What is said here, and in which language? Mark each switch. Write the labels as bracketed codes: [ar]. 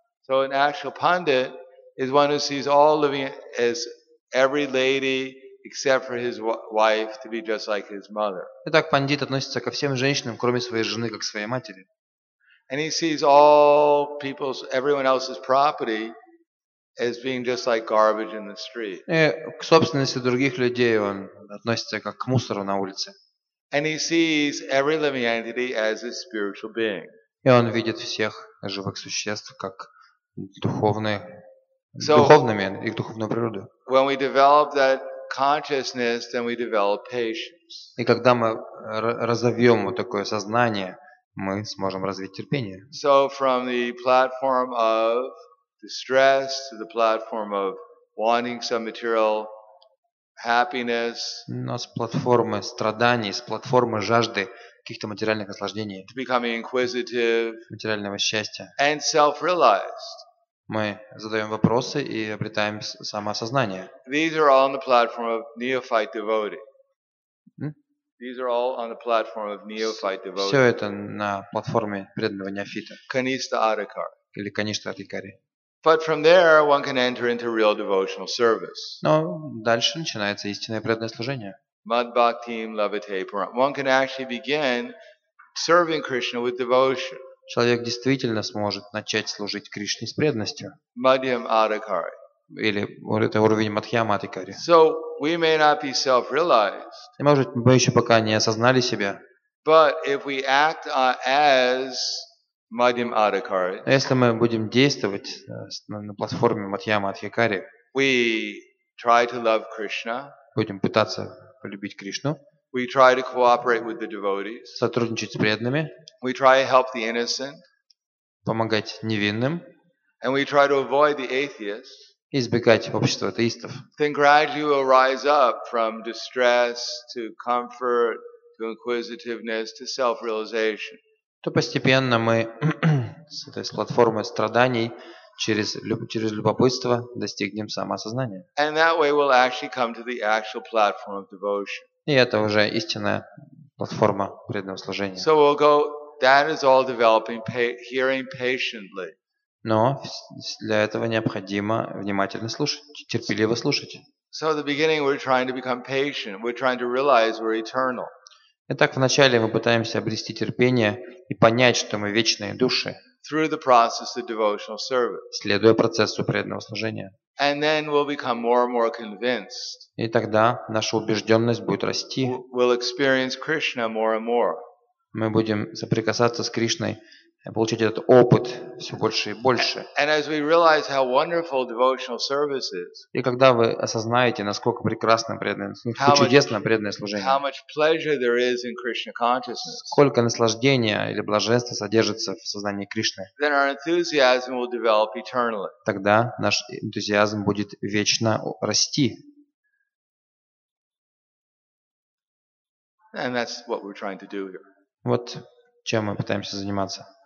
[en] So an actual pandit is one who sees all living as every lady except for his wife to be just like his mother. [ru] Итак, пандит относится ко всем женщинам, кроме своей жены, как к своей матери. [en] And he sees all people's, everyone else's property as being just like garbage in the street. [ru] И к собственности других людей он относится как к мусору на улице. [en] And he sees every living entity as a spiritual being. [ru] И он видит всех живых существ как духовными, их духовную природу. [en] When we develop that consciousness, then we develop patience. [ru] И когда мы разовьем вот такое сознание, мы сможем развить терпение. [en] So from the platform of distress to the platform of wanting some material happiness. [ru] Но с платформы страданий, с платформы жажды каких-то материальных наслаждений. [en] To becoming inquisitive. [ru] Материального счастья. [en] And self-realized. [ru] Мы задаем вопросы и обретаем самоосознание. [en] These are all on the platform of neophyte devotee. These are all on the platform of neophyte devotee. [ru] Все это на платформе преданного неофита. [en] Kanista Adhikari. [ru] Или Kanista Adhikari. [en] But from there, one can enter into real devotional service. [ru] Но дальше начинается истинное преданное служение. [sa] Mad bhaktim lavate param. [en] One can actually begin serving Krishna with devotion. [ru] Человек действительно сможет начать служить Кришне с преданностью. [en] Madhyam Adhikari. [ru] Или это уровень Мадхьяма Адхикари. [en] So we may not be self-realized. [ru] И может мы еще пока не осознали себя. [en] But if we act as Madhyam Adhikari. [ru] Если мы будем действовать на платформе Мадхьяма Адхикари. [en] We try to love Krishna. [ru] Будем пытаться полюбить Кришну. [en] We try to cooperate with the devotees. [ru] Сотрудничать с преданными. [en] We try to help the innocent. [ru] Помогать невинным. [en] And we try to avoid the atheists. [ru] Избегать общества атеистов. [en] Then gradually we'll rise up from distress to comfort to inquisitiveness to self-realization. [ru] То постепенно мы с этой платформы страданий через любопытство достигнем самоосознания. [en] And that way we'll actually come to the actual platform of devotion. [ru] И это уже истинная платформа преданного служения. [en] So we'll go, that is all developing hearing patiently. [ru] Но для этого необходимо внимательно слушать, терпеливо слушать. [en] So at the beginning we're trying to become patient, we're trying to realize we're eternal. [ru] Итак, вначале мы пытаемся обрести терпение и понять, что мы вечные души. [en] Through the process of devotional service. [ru] Следуя процессу преданного служения. [en] And then we'll become more and more convinced. [ru] И тогда наша убежденность будет расти. [en] We'll experience Krishna more and more. [ru] Мы будем соприкасаться с Кришной, получить этот опыт все больше и больше. [en] And as we realize how wonderful devotional service is. [ru] И когда вы осознаете, насколько прекрасным чудесным преданное служение. [en] How much pleasure there is in Krishna consciousness. [ru] Сколько наслаждения или блаженства содержится в сознании Кришны. [en] Then our enthusiasm will develop eternally. [ru] Тогда наш энтузиазм будет вечно расти. [en] And that's what we're trying to do here. [ru] Вот чем мы пытаемся заниматься.